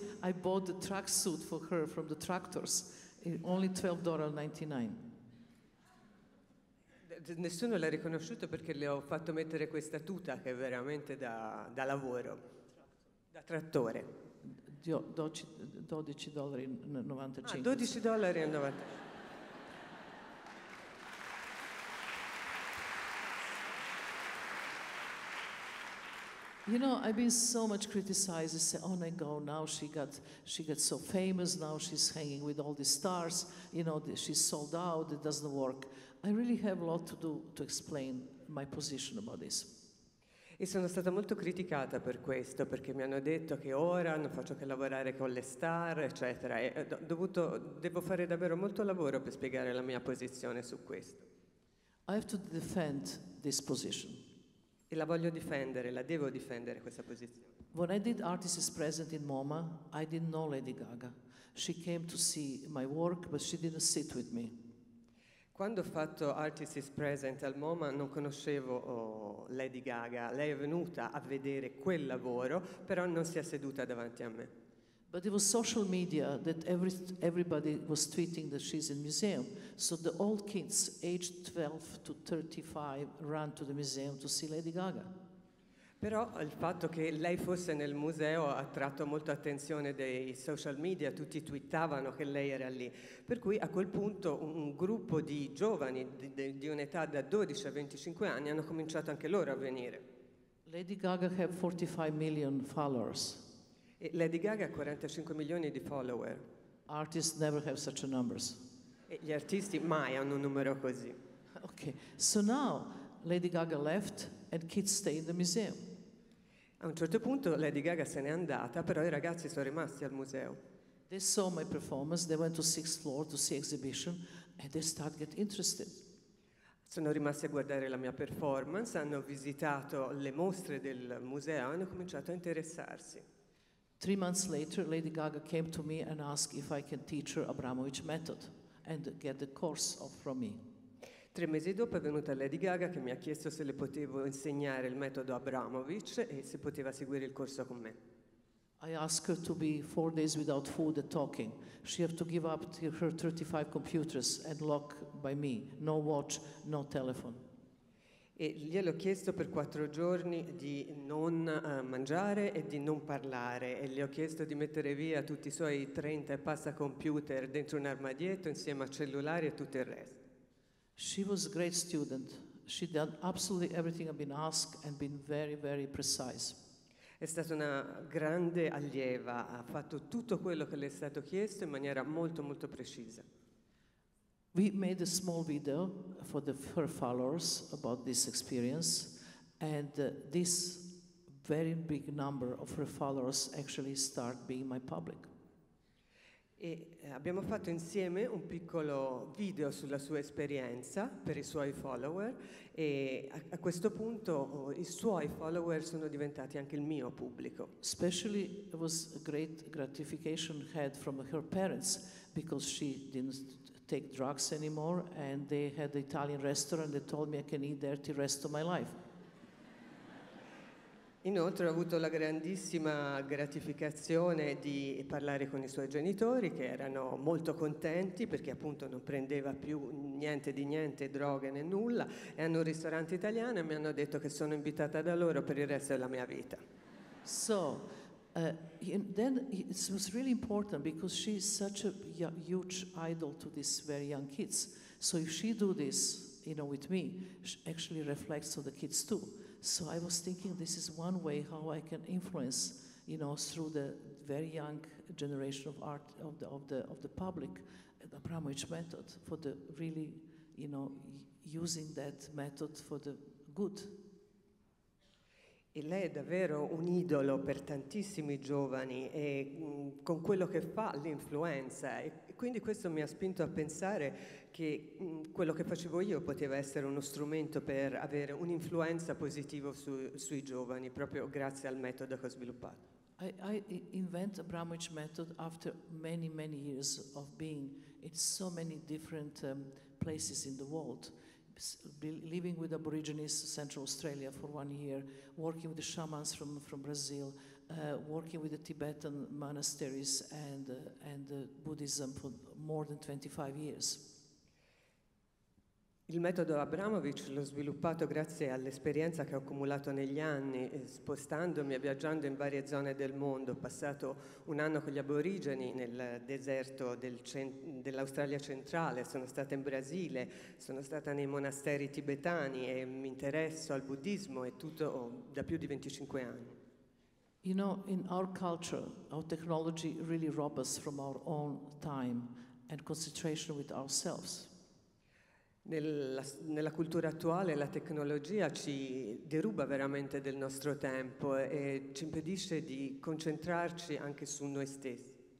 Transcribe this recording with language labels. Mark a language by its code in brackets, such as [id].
[en] Because I bought the track suit for her from the tractors, only $12.99. [it] Nessuno l'ha riconosciuto perché le ho fatto mettere questa tuta che è veramente da lavoro, da trattore. [en] $12.95. $12.95. You know, I've been so much criticized. They say, oh my God, now she got so famous, now she's hanging with all the stars, you know, she's sold out, it doesn't work. I really have a lot to do to explain my position about this. [it] E sono stata molto criticata per questo, perché mi hanno detto che ora non faccio che lavorare con le star, eccetera. E devo fare davvero molto lavoro per spiegare la mia posizione su questo. [en] I have to defend this position. [it] E la voglio difendere, la devo difendere questa posizione. [en] When I did Artists Present in MoMA, I didn't know Lady Gaga. She came to see my work, but she didn't sit with me. [it] Quando ho fatto Artists Present al MoMA, non conoscevo Lady Gaga. Lei è venuta a vedere quel lavoro, però non si è seduta davanti a me. [en] But it was social media that everybody was tweeting that she's in museum. So the old kids, aged 12 to 35, ran to the museum to see Lady Gaga. [it] Però il fatto che lei fosse nel museo ha attratto molta attenzione dei social media, tutti twittavano che lei era lì. Per cui a quel punto un gruppo di giovani di un'età da 12 a 25 anni hanno cominciato anche loro a venire. [en] Lady Gaga had 45 million followers. [it] Lady Gaga ha 45 milioni di follower. [en] Artists never have such numbers. [it] E gli artisti mai hanno un numero così. [en] Okay. So now Lady Gaga left and kids stayed in the museum. [it] A un certo punto Lady Gaga se n'è andata, però i ragazzi sono rimasti al museo. [en] They saw my performance, they went to sixth floor to see exhibition and they start get interested. [it] Sono rimasti a guardare la mia performance, hanno visitato le mostre del museo e hanno cominciato a interessarsi. [en] 3 months later, Lady Gaga came to me and asked if I can teach her Abramovich method and get the course from me. [it] 3 mesi dopo è venuta Lady Gaga che mi ha chiesto se le potevo insegnare il metodo Abramovich e se poteva seguire il corso con me. [en] I asked her to be 4 days without food and talking. She had to give up her 35 computers and lock by me. No watch, no telephone. [it] E gliel'ho chiesto per 4 giorni di non mangiare e di non parlare e gli ho chiesto di mettere via tutti i suoi 30 e passa computer dentro un armadietto insieme a cellulari e tutto il resto. [en] She was a great student. She did absolutely everything I've been asked and been very, very precise. [it] È stata una grande allieva, ha fatto tutto quello che le è stato chiesto in maniera molto, molto precisa. [en] We made a small video for the her followers about this experience, and this very big number of her followers actually start being my public. [it] E abbiamo fatto insieme un piccolo video sulla sua esperienza per i suoi follower, e a questo punto i suoi follower sono diventati anche il mio pubblico. [en] Especially it was a great gratification had from her parents because she didn't take drugs anymore and they had the Italian restaurant that told me I can eat there the rest of my life. [it] Inoltre ho avuto la grandissima gratificazione di parlare con i suoi genitori che erano molto contenti perché appunto non prendeva più niente di niente, droghe né nulla, e hanno un ristorante italiano e mi hanno detto che sono invitata da loro per il resto della mia vita. [en] So then it was really important because she's such a huge idol to these very young kids. So if she do this, you know, with me, she actually reflects on the kids too. So I was thinking this is one way how I can influence, you know, through the very young generation of art of the public, the Abramovich method, for the really, you know, using that method for the good. [it] E lei è davvero un idolo per tantissimi giovani e con quello che fa l'influenza, e quindi questo mi ha spinto a pensare che quello che facevo io poteva essere uno strumento per avere un'influenza positiva sui giovani, proprio grazie al metodo che ho sviluppato. [en] I invent Abramovich method after many many years of being in so many different places in the world. Living with Aborigines Central Australia for 1 year, working with the shamans from Brazil, working with the Tibetan monasteries and Buddhism for more than 25 years. [it] Il metodo Abramovich l'ho sviluppato grazie all'esperienza che ho accumulato negli anni, spostandomi e viaggiando in varie zone del mondo. Ho passato un anno con gli aborigeni nel deserto dell'Australia centrale, sono stata in Brasile, sono stata nei monasteri tibetani e mi interesso al buddismo e tutto da più di 25 anni. [en] You know, in our culture, our technology really robs us from our own time and concentration with ourselves. [it] Nella cultura attuale la tecnologia ci deruba veramente del nostro tempo e ci impedisce di concentrarci anche su noi stessi.